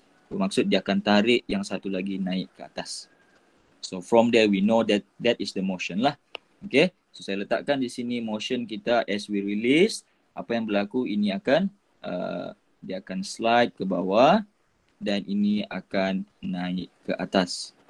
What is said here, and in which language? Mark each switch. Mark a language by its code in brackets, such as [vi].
[ms] Bermaksud dia akan tarik yang satu lagi naik ke atas. [en] So from there we know that that is the motion lah. [ms] Okay, so saya letakkan di sini motion kita [en] as we release. [ms] Apa yang berlaku, ini akan dia akan slide ke bawah dan ini akan naik ke atas.